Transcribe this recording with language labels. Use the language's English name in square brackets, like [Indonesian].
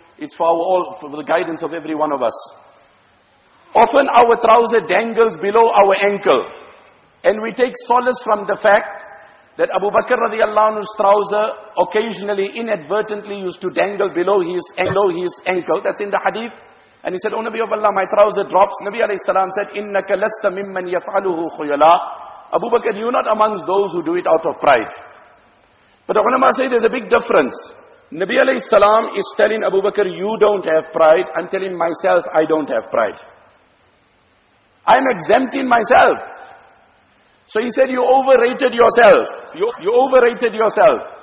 [English] It's for our all, for the guidance of every one of us. Often our trouser dangles below our ankle. And we take solace from the fact that Abu Bakr radiallahu anhu's trouser occasionally, inadvertently used to dangle below his ankle. That's in the hadith. And he said, O Nabi of Allah, my trouser drops. [Arabic] Nabi alayhi salam said, إِنَّكَ لَسْتَ مِمَّنْ يَفْعَلُهُ خُيَلَىٰ. [English] Abu Bakr, you're not amongst those who do it out of pride. But the ulama say there's a big difference. Nabi alayhi salam is telling Abu Bakr, you don't have pride. I'm telling myself, I don't have pride. I'm exempting myself. So he said, you overrated yourself. You overrated yourself.